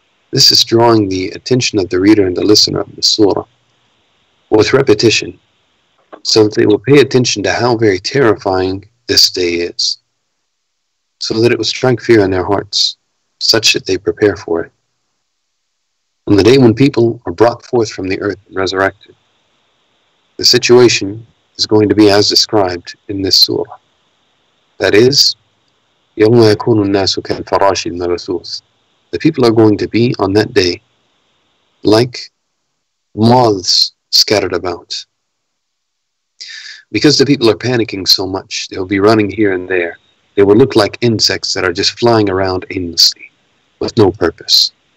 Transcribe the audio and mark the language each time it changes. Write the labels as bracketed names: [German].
[English] This is drawing the attention of the reader and the listener of the surah with repetition, so that they will pay attention to how very terrifying this day is, so that it will strike fear in their hearts, such that they prepare for it. On the day when people are brought forth from the earth and resurrected, the situation is going to be as described in this surah. That is, [Arabic] يَوْمَ يَكُونُ النَّاسُ كَالْفَرَاشِ الْمَبْثُوثِ. [English] The people are going to be on that day like moths scattered about. Because the people are panicking so much, they'll be running here and there. They will look like insects that are just flying around aimlessly, with no purpose.